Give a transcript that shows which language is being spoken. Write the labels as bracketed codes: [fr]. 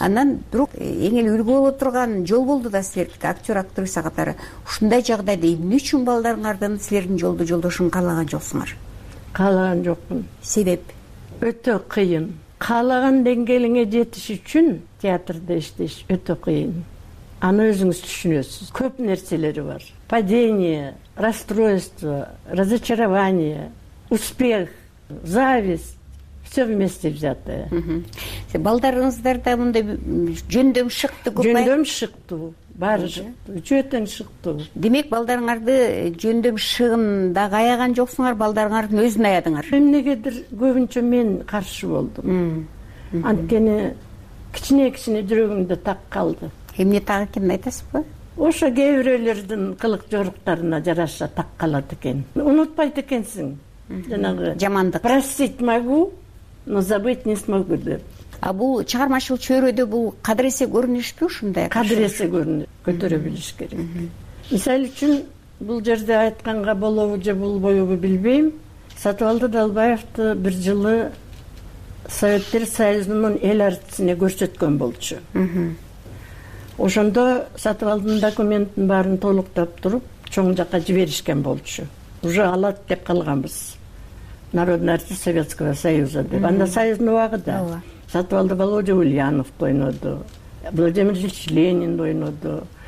[ky] Анан вдруг эң эле үлгү боло турган жол болду да силердики актер актриса катары. Ушундай жагдайда эмне үчүн балдарыңардын силердин жолду жолдошун каалаган жоксуңар? Каалаган жокмун. Себеп? Өтө кыйын. Каалаган деңгээлиңе жетиш үчүн театрда иштеш өтө кыйын. Аны өзүңүз түшүнөсүз. Көп нерселери бар. [ru] Падение, расстройство, разочарование, успех, зависть. Все вместе взятое. [ky] Балдарыңыздарда мындай жөндөм шыктуу. Жөндөм шыктуу. Баары шыктуу. Үчөө тең шыктуу. Демек балдарыңарды жөндөм шыгын дагы аяган жоксуңар, балдарыңардын өзүн аядыңар. Эмнегедир көбүнчө мен каршы болдум. Анткени кичине-кичине жүрөгүмдө так калды. Эмне так экенин айтасызбы? Ошо кээ бирөөлөрдүн кылык жоруктарына жараша так калат экен. Унутпайт экенсиң жанагы жамандык. [ru] Простить могу. Но забыть не смогу деп. [ky] А бул чыгармачыл чөйрөдө бул кадыресе көрүнүшпү ушундай? Кадыресе көрүнү. Көтөрө билиш керек. Мисалы үчүн бул жерде айтканга болобу же болбойбу билбейм. Сатыбалды Далбаевди бир жылы Советтер Союзунун эл артисине көрсөткөн болчу. Ошондо Сатыбалдын документин баарын толуктап туруп, чоң жака жиберишкен болчу. Уже алат деп калганбыз. [ru] Народный артист Советского Союза. Mm-hmm. Она союзная вагда. Mm-hmm. [ky] Сатывалды Володя Ульянов ойноду. Владимир Ильич Ленин ойноду.